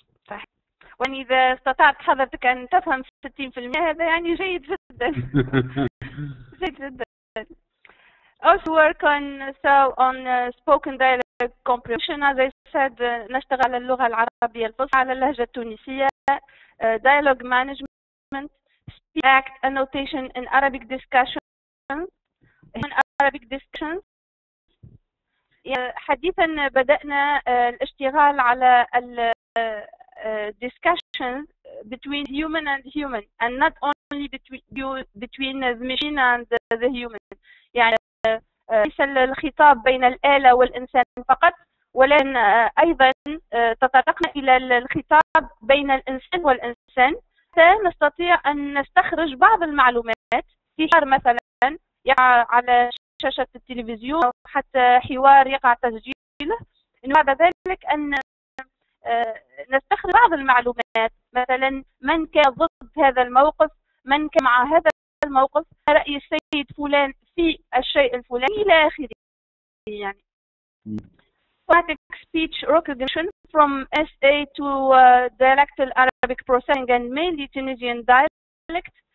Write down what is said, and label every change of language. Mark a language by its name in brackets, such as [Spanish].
[Arabic] صح، يعني إذا استطعت حضرتك أن تفهم 60% هذا يعني جيد جدا. جيد جدا. [English] Also work on spoken dialect comprehension. As I said, [Arabic] نشتغل على اللغة العربية الفصحى، على اللهجة التونسية. [English] Dialogue management, speak act annotation in Arabic discussions. In Arabic discussions. [Arabic] حديثا بدأنا الاشتغال على ال [English] discussions between human and human, and not only between the machine and the human. [Arabic] يعني ليس الخطاب بين الآلة والإنسان فقط، ولكن أيضا تطرقنا إلى الخطاب بين الإنسان والإنسان، حتى نستطيع أن نستخرج بعض المعلومات في حوار مثلا يقع على شاشة التلفزيون، أو حتى حوار يقع تسجيله، إنه بعد ذلك أن نستخرج بعض المعلومات، مثلا من كان ضد هذا الموقف، من كان مع هذا الموقف، رأي السيد فلان في الشيء الفلاني إلى آخره. [English] يعني automatic speech recognition from SA to dialectal Arabic processing and mainly Tunisian dialect.